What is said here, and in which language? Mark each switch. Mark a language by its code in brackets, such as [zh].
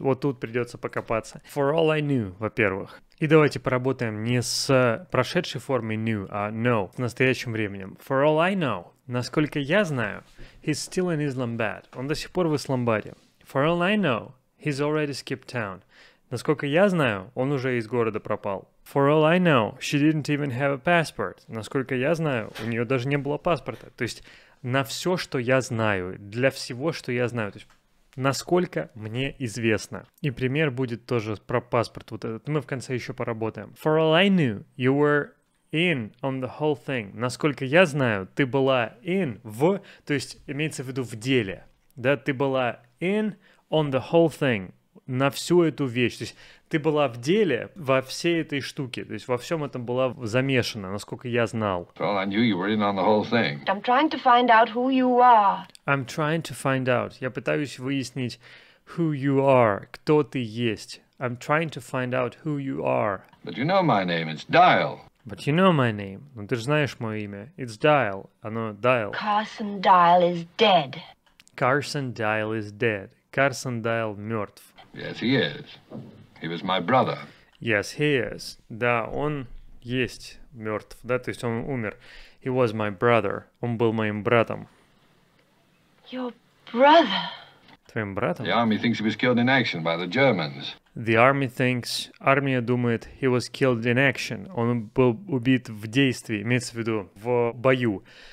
[ru] Вот тут придется покопаться. [en] For all I knew, [ru] во-первых. И давайте поработаем не с прошедшей формой knew, а know, с настоящим временем. [en] For all I know, [ru] насколько я знаю, [en] he's still in Islamabad. [ru] Он до сих пор в Исламбаде. [en] For all I know, he's already skipped town. [ru] Насколько я знаю, он уже из города пропал. [en] For all I know, she didn't even have a passport. [ru] Насколько я знаю, у нее даже не было паспорта. То есть... На все, что я знаю, для всего, что я знаю, то есть, насколько мне известно. И пример будет тоже про паспорт вот этот, мы в конце еще поработаем. [en] For all I knew, you were in on the whole thing. [ru] Насколько я знаю, ты была in в, то есть, имеется в виду в деле, да, ты была [en] in on the whole thing. [ru] на всю эту вещь. То есть ты была в деле во всей этой штуке. То есть во всем этом была замешана, насколько я знал. [en] Well, I knew you were in on the whole thing. I'm trying to find out who you are. I'm trying to find out. [ru] Я пытаюсь выяснить [en] who you are, [ru] кто ты есть. [en] I'm trying to find out who you are. But you know my name, it's Dial. But you know my name. [ru] Ну, ты же знаешь мое имя. [en] It's Dial. [ru] Оно Dial. [en] Carson Dial is dead. Carson Dial is dead. Carson Dial [ru] мертв. [en] Yes, he is. He was my brother. Yes, he is. [ru] Да, он есть мертв. Да, то есть он умер. [en] He was my brother. [ru] Он был моим братом. [en] Your brother? [ru] Твоим братом? [en] The army thinks he was killed in action by the Germans. The army thinks, [ru] армия думает, [en] he was killed in action. [ru] Он был убит в действии, имеется в виду, в бою.